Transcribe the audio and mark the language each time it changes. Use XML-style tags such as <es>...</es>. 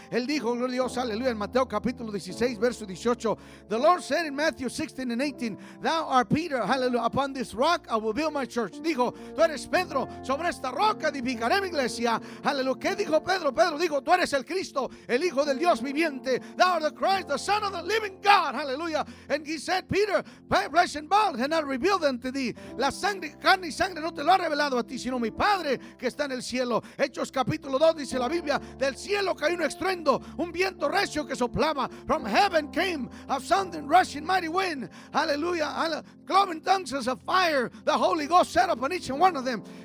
<es>Él dijo, gloria a Dios, aleluya, en Mateo capítulo 16, verso 18.</es> <en>The Lord said in Matthew 16 and 18, thou art Peter, hallelujah, upon this rock I will build my church.</en> <es>Dijo, tú eres Pedro, sobre esta roca edificaré mi iglesia. Aleluya. ¿Qué dijo Pedro? Pedro dijo, tú eres el Cristo, el Hijo del Dios viviente.</es> <en>Thou art the Christ, the Son of the living God, hallelujah. And he said, Peter, by flesh and blood and not revealed unto thee.</en> <es>La sangre, carne y sangre no te lo ha revelado a ti, sino mi Padre que está en el cielo. Hechos capítulo 2 dice la Biblia, del cielo cayó un estruendo, un viento recio que soplaba.</es> <en>From heaven came a sounding rushing mighty wind, hallelujah, cloven tongues as a fire, the Holy Ghost set upon each one of them.</en>